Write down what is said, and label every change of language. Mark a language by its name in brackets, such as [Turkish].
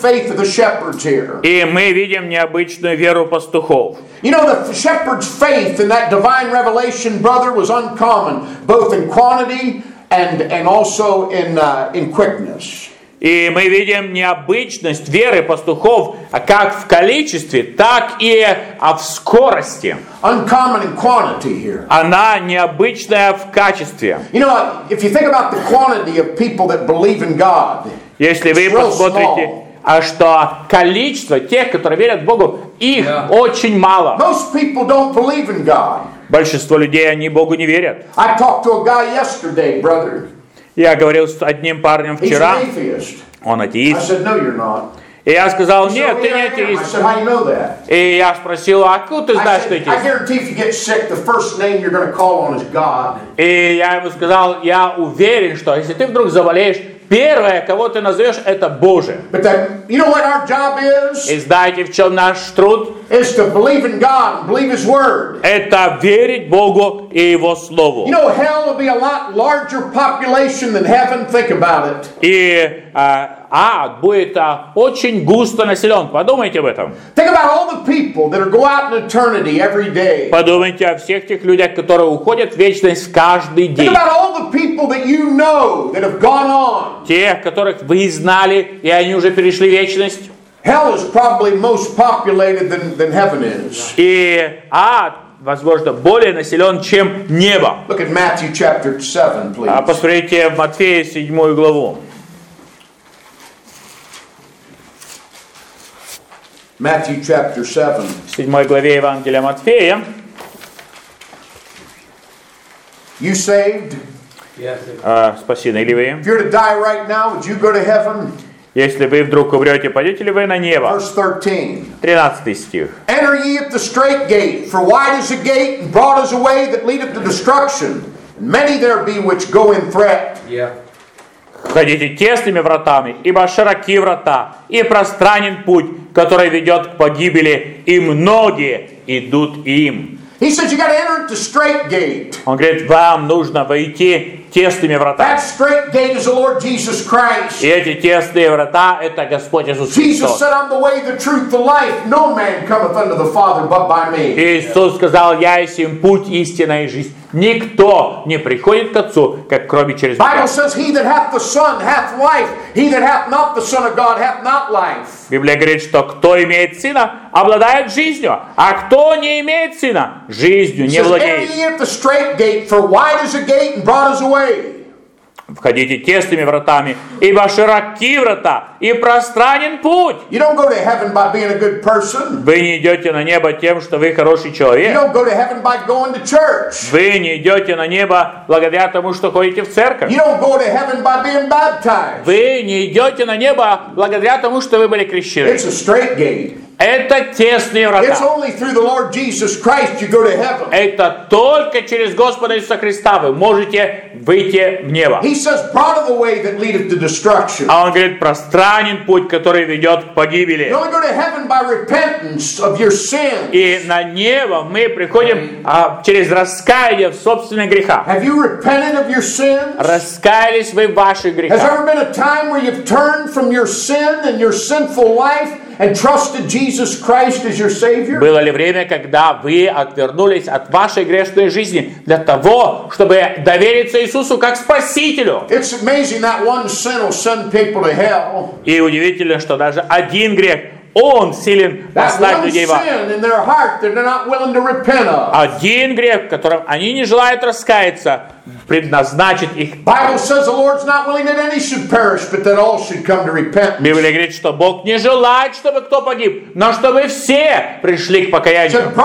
[Russian] И мы видим необычную веру пастухов. [English] You know, the shepherd's faith in that divine revelation, brother, was uncommon, both in quantity and also in quickness. [Russian] И мы видим необычность веры пастухов как в количестве, так и в скорости. [English] Uncommon in quantity here. [Russian] Она необычная в качестве. [English] You know, if you think about the quantity of people that believe in God, [Russian] если вы посмотрите, а что количество тех, которые верят в Богу, их очень мало. [English] Most people don't believe in God. [Russian] Большинство людей, они Богу не верят. [English] I talked to a guy yesterday, brother. [Russian] Я говорил с одним парнем вчера. Он атеист. [English] I said, no, you're not. [Russian] И я сказал, нет, ты не атеист. [English] I said, how you know that? [Russian] И я спросил, откуда ты знаешь, что атеист? [English] I guarantee if you get sick, the first name you're going to call on is God. [Russian] И я ему сказал, я уверен, что если ты вдруг заболеешь, первое, кого ты назовешь, это Божие. [English] But then, you know what our job is? [Russian] И знаете, в чем наш труд? [English] Is to believe in God, believe His word. [Russian] Это верить Богу и Его Слову. [English] You know, hell will be a lot larger population than heaven, think about it. [Russian] И ад будет очень густо населен. Подумайте об этом. [English] Think about all the people that are go out in eternity every day. [Russian] Подумайте о всех тех людях, которые уходят в вечность каждый день. [English] Think about all the people that you know that have gone on. [Russian] Тех, которых вы знали, и они уже перешли в вечность. [English] Hell is probably most populated than heaven is. [Russian] И ад возможно, более населен, чем небо. [English] Look at Matthew chapter 7, please. [Russian] Посмотрите в Матфея 7 главу. [English] Matthew chapter 7. [Russian] В 7 главе Евангелия Матфея. [English] You saved? Yes. [Russian] Спасены ли вы? [English] If you're to die right now, would you go to heaven? [Russian] Если вы вдруг умрете, пойдете ли вы на небо? [English] Verse 13. [Russian] 13 стих. [English] Enter ye at the straight gate, for wide is the gate, and broad is the way that leadeth to destruction. And many there be which go in thereat. Yeah. [Russian] Ходите тесными вратами, ибо широки врата, и пространен путь, который ведет к погибели, и многие идут им. [English] He says you got to enter at the straight gate. [Russian] Он говорит, вам нужно войти тесными вратами. [English] That straight gate is the Lord Jesus Christ. [Russian] И эти тесные врата – это Господь Иисус Христос. [English] said, I'm the way, the truth, the life. No man cometh unto the Father but by me. [Russian] Иисус сказал, я есть им путь, истина и жизнь. Никто не приходит к Отцу, как кроме через меня. [English] Bible says, he that hath the Son hath life. He that hath not the Son of God hath not life. [Russian] Библия говорит, что кто имеет Сына, обладает жизнью. А кто не имеет Сына, жизнью не владеет. [English] Enter ye at the straight gate, for wide is the gate, and broad is the way. [Russian] Входите тесными вратами, ибо широки врата, и пространен путь. [English] You don't go to heaven by being a good person. [Russian] Вы не идете на небо тем, что вы хороший человек. [English] You don't go to heaven by going to church. [Russian] Вы не идете на небо благодаря тому, что ходите в церковь. [English] You don't go to heaven by being baptized. [Russian] Вы не идете на небо благодаря тому, что вы были крещены. [English] It's a straight gate. [Russian] Это тесные врата. [English] It's only through the Lord Jesus Christ you go to heaven. [Russian] Это только через Господа Иисуса Христа вы можете выйти в небо. [English] He says, broad is the way that leadeth to destruction. [Russian] А он говорит, пространен путь, который ведет к погибели. [English] You only go to heaven by repentance of your sins. [Russian] И на небо мы приходим через раскаяние в собственных грехах. [English] Have you repented of your sins? [Russian] Раскаялись вы в ваших грехах? [English] Has there been a time where you've turned from your sin and your sinful life? And trusted Jesus Christ as your Savior? [Russian] Было ли время, когда вы отвернулись от вашей грешной жизни для того, чтобы довериться Иисусу как Спасителю? [English] It's amazing that one sin will send people to hell. [Russian] И удивительно, что даже один грех, он силен послать людей в ад. [English] That one sin in their heart that they're not willing to repent of. [Russian] Один грех, в котором они не желают раскаяться, предназначит их. Библия говорит, что Бог не желает, чтобы кто погиб, но чтобы все пришли к покаянию.